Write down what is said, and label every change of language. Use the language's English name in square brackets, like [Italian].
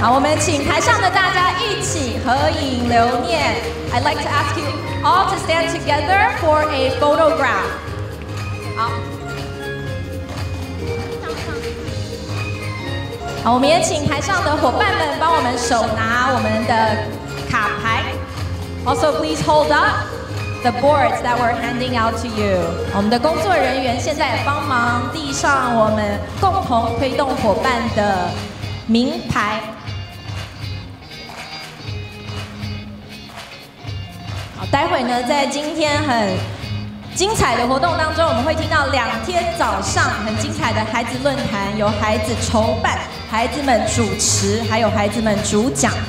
[Chinese] 好，我们请台上的大家一起合影留念。 [English] I'd like to ask you all to stand together for a photograph. [Chinese] 好，好，我们也请台上的伙伴们帮我们手拿我们的卡牌。 [English] Also, please hold up the boards that we're handing out to you. [Chinese] 我们的工作人员现在帮忙递上我们共同推动伙伴的名牌。好，待会呢，在今天很精彩的活动当中，我们会听到两天早上很精彩的孩子论坛，由孩子筹办，孩子们主持，还有孩子们主讲。